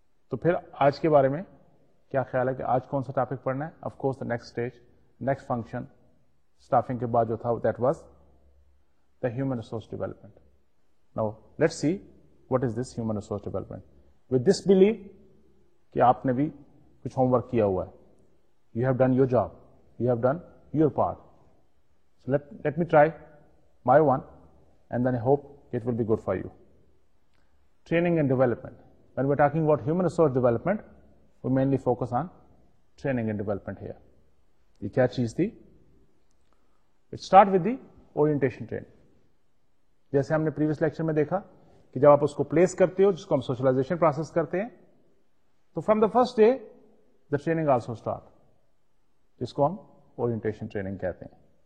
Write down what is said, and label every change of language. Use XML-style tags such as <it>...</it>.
<ur>تو پھر آج کے بارے میں کیا خیال ہے کہ آج کون سا ٹاپک پڑھنا ہے؟</ur> <en>of course the next stage, next function staffing</en> <ur>کے بعد جو تھا,</ur> <en>That was the human resource development. Now let's see what is this human resource development. With this belief</en> <ur>ki aapne bhi kuch homework kiya hua hai,</ur> <en>you have done your job, you have done your part. So let me try my one, and then I hope it will be good for you. Training and development. When we're talking about human resource development, we mainly focus on training and development here.</en> <ur>Ye kya cheez thi?</ur> <en>It start with the orientation training.</en> <ur>جیسے ہم نے previous lecture میں دیکھا کہ جب آپ اس کو place کرتے ہو جس کو ہم سوشلائزیشن پروسیس کرتے ہیں تو</ur> <en>from the first day the training also start</en> <ur>جس کو ہم اورینٹیشن ٹریننگ کہتے ہیں.</ur>